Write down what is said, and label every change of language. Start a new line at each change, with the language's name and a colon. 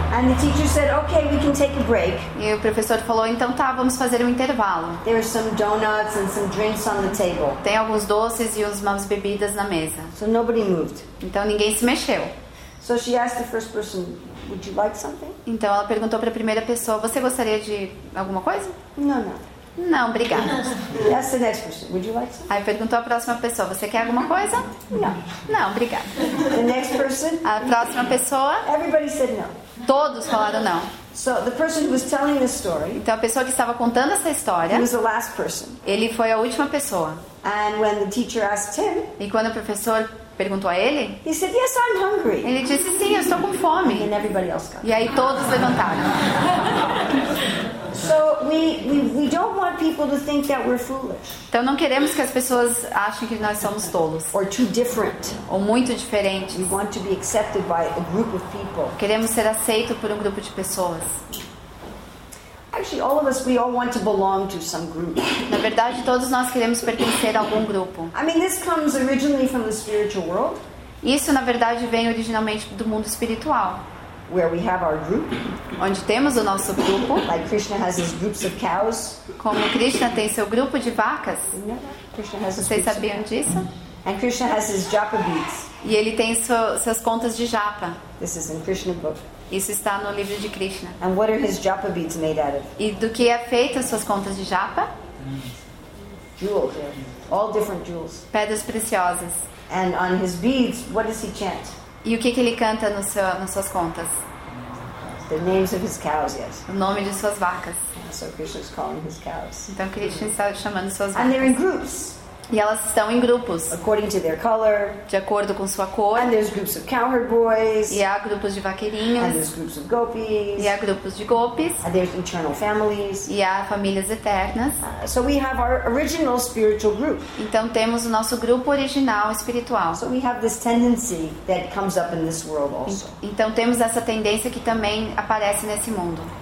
English: And the teacher said, okay, we can take a break.
Portuguese: E o professor falou, então tá, vamos fazer um intervalo.
English: There were some donuts and some drinks on the table.
Portuguese: Tem alguns doces e umas bebidas na mesa.
English: So nobody moved.
Portuguese: Então ninguém se mexeu.
English: So she asked the first person, would you like something?
Portuguese: Então ela perguntou para a primeira pessoa, você gostaria de alguma coisa? Não, não. Não, obrigada.
English: That's the next person. Would you like some?
Portuguese: Aí perguntou a próxima pessoa, você quer alguma coisa? Não. Não, obrigada.
English: The next person?
Portuguese: A próxima pessoa?
English: Everybody said no.
Portuguese: Todos falaram não.
English: So the person who was telling the story.
Portuguese: Então a pessoa que estava contando essa história.
English: He was the last person.
Portuguese: Ele foi a última pessoa.
English: And when the teacher asked him.
Portuguese: E quando o professor perguntou a ele?
English: He said, yes, I'm hungry.
Portuguese: Ele disse sim, eu estou com fome.
English: And everybody else got.
Portuguese: E aí todos levantaram.
English: So we don't want people to think that we're foolish.
Portuguese: Então não queremos que as pessoas achem que nós somos tolos.
English: Or too different.
Portuguese: Ou muito diferentes.
English: We want to be accepted by a group of people.
Portuguese: Queremos ser aceito por um grupo de pessoas.
English: Actually, all of us, we all want to belong to some group.
Portuguese: Na verdade, todos nós queremos pertencer a algum grupo.
English: I mean, this comes originally from the spiritual world.
Portuguese: Isso na verdade vem originalmente do mundo espiritual.
English: Where we have our group.
Portuguese: Onde temos o nosso grupo.
English: Like Krishna has his groups of cows.
Portuguese: Como Krishna tem seu grupo de vacas. Vocês sabiam disso?
English: And Krishna has his japa beads.
Portuguese: E ele tem suas contas de japa.
English: This is in Krishna book.
Portuguese: Isso está no livro de Krishna.
English: And what are his japa beads made out of?
Portuguese: E do que é feita suas contas de japa?
English: Jewels. All different jewels.
Portuguese: Pedras preciosas.
English: And on his beads, what does he chant?
Portuguese: E o que que ele canta no seu, nas suas contas?
English: The names of his cows, yes.
Portuguese: O nome de suas vacas.
English: So Krishna's calling his cows.
Portuguese: Então Krishna está chamando suas vacas.
English: And they're in groups.
Portuguese: E elas estão em grupos.
English: According to their color.
Portuguese: De acordo com sua cor.
English: And there's groups of cowherd boys.
Portuguese: E há grupos de vaqueirinhos.
English: And there's groups of gopis.
Portuguese: E há grupos de gopis.
English: And there's eternal families.
Portuguese: E há famílias eternas.
English: So we have our original spiritual group.
Portuguese: Então temos o nosso grupo original espiritual.
English: So we have this tendency that comes up in this world also.
Portuguese: Então temos essa tendência que também aparece nesse mundo.